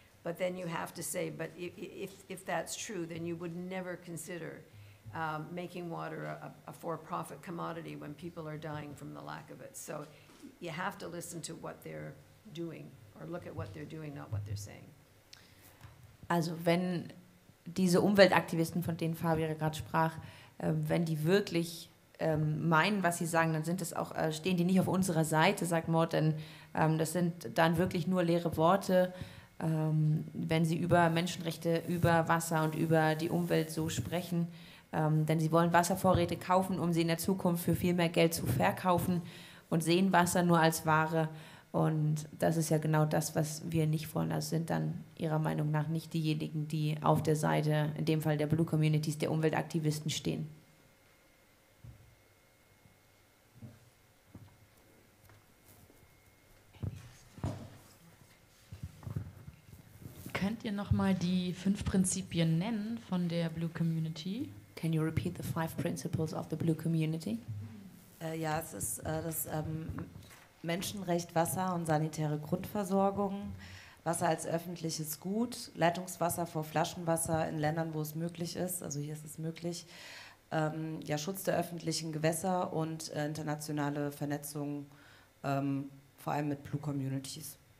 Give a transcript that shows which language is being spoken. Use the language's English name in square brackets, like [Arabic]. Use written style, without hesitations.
[English] But then you have to say, but if that's true, then you would never consider making water a for-profit commodity when people are dying from the lack of it. So you have to listen to what they're doing, or look at what they're doing, not what they're saying. [German] Also wenn diese Umweltaktivisten, von denen Fabio gerade sprach, wenn die wirklich meinen, was sie sagen, dann sind das auch, stehen die nicht auf unserer Seite, sagt Morten. Das sind dann wirklich nur leere Worte, wenn sie über Menschenrechte, über Wasser und über die Umwelt so sprechen. Denn sie wollen Wasservorräte kaufen, um sie in der Zukunft für viel mehr Geld zu verkaufen und sehen Wasser nur als Ware. Und das ist ja genau das, was wir nicht wollen. Also sind dann ihrer Meinung nach nicht diejenigen, die auf der Seite, in dem Fall der Blue Communities, der Umweltaktivisten stehen. Könnt ihr nochmal die 5 Prinzipien nennen von der Blue Community? [English] Can you repeat the 5 principles of the Blue Community? [German] Ja, es ist das Menschenrecht Wasser und sanitäre Grundversorgung, Wasser als öffentliches Gut, Leitungswasser vor Flaschenwasser in Ländern, wo es möglich ist, also hier ist es möglich, Schutz der öffentlichen Gewässer und internationale Vernetzung, vor allem mit Blue Communities.